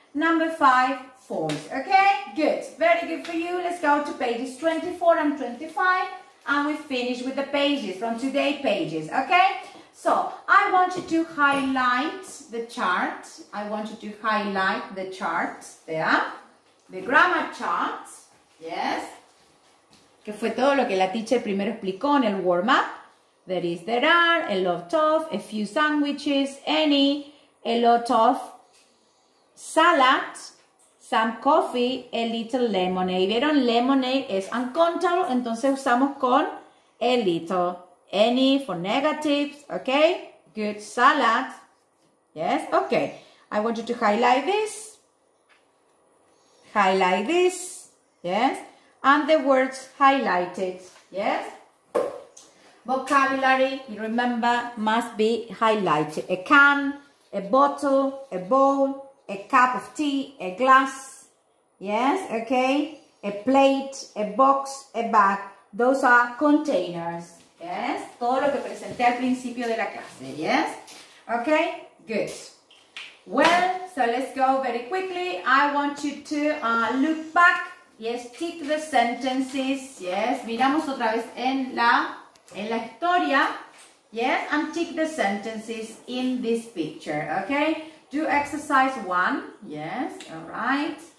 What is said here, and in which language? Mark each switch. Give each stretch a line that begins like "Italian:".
English: Number 5, false. Okay, good. Very good for you. Let's go to pages 24 and 25, and we finish with the pages, from today's pages. Okay, so I want you to highlight the chart. I want you to highlight the chart there. The grammar chart, yes.
Spanish: Que fue todo lo que la teacher primero explicó en el warm-up.
English: There is, there are, a lot of, a few sandwiches, any, a lot of, salad, some coffee, a little lemonade.
Spanish: ¿Vieron? Lemonade es uncountable, entonces usamos con a little,
English: any for negatives,
Spanish: okay?
English: Good, salad, yes, okay. I want you to highlight this. Highlight this, yes, and the words highlighted, yes. Vocabulary, you remember, must be highlighted. A can, a bottle, a bowl, a cup of tea, a glass, yes, okay. A plate, a box, a bag, those are containers, yes.
Spanish: Todo lo que presenté al principio de la clase, yes.
English: Okay, good. Well, so let's go very quickly. I want you to look back. Yes, tick the sentences. Yes,
Spanish: miramos otra vez en la en la historia.
English: Yes, and tick the sentences in this picture, okay? Do exercise one. Yes, all right.